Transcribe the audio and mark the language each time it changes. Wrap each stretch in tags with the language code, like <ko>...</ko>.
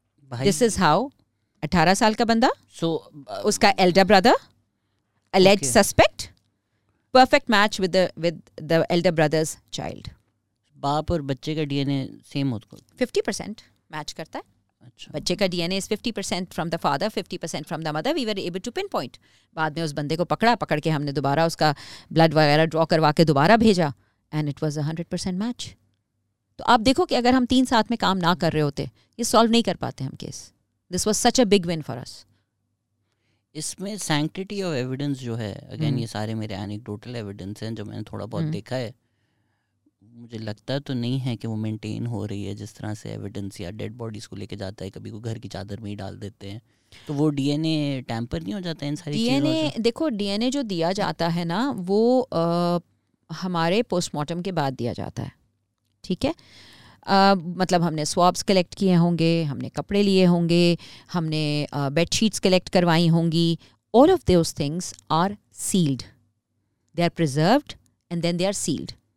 <en>this is how 18</en> <ur>سال کا بندہ, سو اس کا</ur> <en>Elder brother, alleged suspect, perfect match with the elder brother's child.</en> <ur>باپ اور بچے کا ڈی این اے سیم ہوتا ہے, 50% میچ کرتا ہے. اچھا, بچے کا</ur> <en>D N A is 50% from the father, 50% from the mother. We were able to pinpoint.</en> <ur>بعد میں اس بندے کو پکڑ کے ہم نے دوبارہ اس کا بلڈ وغیرہ ڈرا کروا کے دوبارہ بھیجا,</ur> <en>And it was 100% match.</en> <ur>تو آپ دیکھو کہ اگر ہم 3 ساتھ میں کام نہ کر رہے ہوتے, یہ سالو نہیں کر پاتے ہم case.</ur> <en>This was such a big one for us.</en> <ur>اس میں سینکٹیٹی آف ایویڈنس جو ہے, اگین یہ سارے میرے اینیکڈوٹل ایویڈنس ہیں جو میں نے تھوڑا بہت دیکھا ہے, مجھے لگتا تو نہیں ہے کہ وہ مینٹین ہو رہی ہے جس طرح سے ایویڈنس یا ڈیڈ باڈیز کو لے کے جاتا ہے. کبھی کوئی گھر کی چادر میں ہی ڈال دیتے ہیں, تو وہ ڈی این اے ٹیمپر نہیں ہو جاتا ہے ان ساری چیزوں سے؟ ڈی این اے, دیکھو ڈی این اے جو دیا جاتا ہے نا وہ ہمارے پوسٹ مارٹم کے بعد دیا جاتا ہے. ٹھیک ہے, مطلب ہم نے سوابس کلیکٹ کیے ہوں گے, ہم نے کپڑے لیے ہوں گے, ہم نے بیڈ شیٹس کلیکٹ کروائی ہوں گی.</ur> <en>All of those things are sealed. they are preserved and then they are sealed.</en>